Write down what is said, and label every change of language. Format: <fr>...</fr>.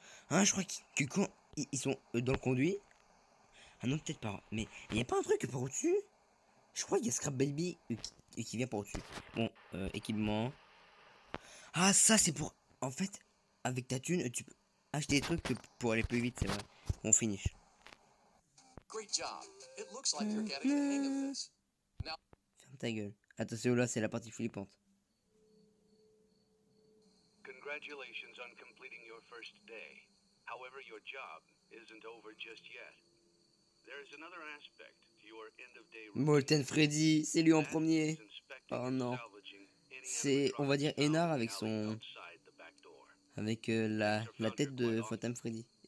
<fr>Hein, je crois que quand ils sont dans le conduit. Ah non, peut-être pas. Mais il n'y a pas un truc par au-dessus. Je crois qu'il y a Scrap Baby qui vient par au-dessus. Bon, équipement. Ah, ça c'est pour. En fait, avec ta thune, tu peux acheter des trucs pour aller plus vite, c'est vrai. On finit.</fr> <en>Great job. It looks like you're getting the hang of this.</en> <fr>Now, ferme ta gueule. Attention, là, c'est la partie flippante.</fr> <en>Congratulations on completing your first day. However, your job isn't over just yet. There is another aspect to your end of day.</en> <fr>Molten Freddy, c'est lui en premier. Oh non. C'est, on va dire, Enar avec son... Avec la tête de Molten Freddy.</fr>